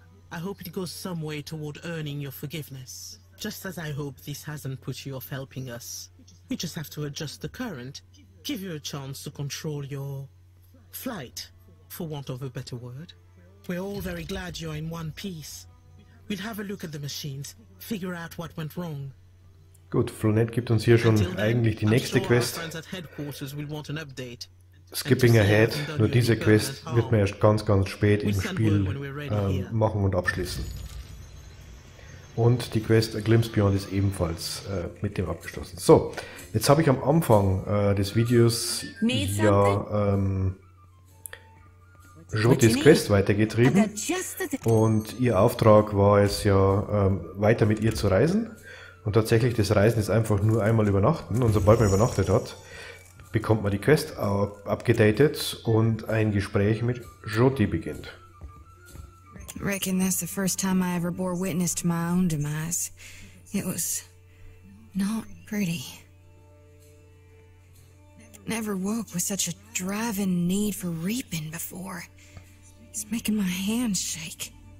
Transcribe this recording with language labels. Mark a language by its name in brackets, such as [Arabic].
[English] I hope it goes some way toward earning your forgiveness. Just as I hope this hasn't put you off helping us. We just have to adjust the current, give you a chance to control your flight, for want of a better word. We're all very glad you're in one piece. We'll have a look at the machines, figure out what went wrong. [German] Gut, Flonet gibt uns hier schon eigentlich die nächste Quest. [English] Friends at headquarters will want an update. Skipping ahead, [German] nur diese Quest wird man erst ganz, ganz spät im Spiel machen und abschließen. Und die Quest A Glimpse Beyond ist ebenfalls mit dem abgeschlossen. So, jetzt habe ich am Anfang des Videos ja Jotis Quest weitergetrieben. Und ihr Auftrag war es ja, weiter mit ihr zu reisen. Und tatsächlich, das Reisen ist einfach nur einmal übernachten. Und sobald man übernachtet hat, bekommt man die Quest abgedatet und ein Gespräch mit Jyoti beginnt. [English] Reckon that's the first time I ever bore witness to my own demise. It was not pretty. Never woke with such a driving need for reaping before. It's making my hands shake.